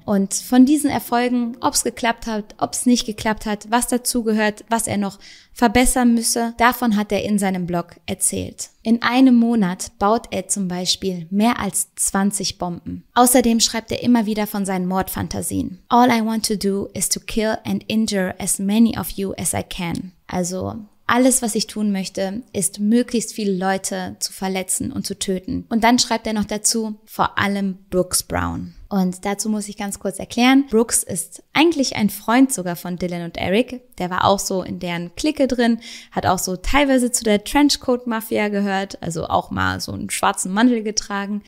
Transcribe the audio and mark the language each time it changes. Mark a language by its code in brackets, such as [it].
[de] Und von diesen Erfolgen, ob es geklappt hat, ob es nicht geklappt hat, was dazu gehört, was er noch verbessern müsse, davon hat er in seinem Blog erzählt. In einem Monat baut er zum Beispiel mehr als 20 Bomben. Außerdem schreibt er immer wieder von seinen Mordfantasien. [en] All I want to do is to kill and injure as many of you as I can. [de] Also, alles, was ich tun möchte, ist, möglichst viele Leute zu verletzen und zu töten. Und dann schreibt er noch dazu, vor allem Brooks Brown. Und dazu muss ich ganz kurz erklären, Brooks ist eigentlich ein Freund sogar von Dylan und Eric. Der war auch so in deren Clique drin, hat auch so teilweise zu der Trenchcoat-Mafia gehört, also auch mal so einen schwarzen Mantel getragen.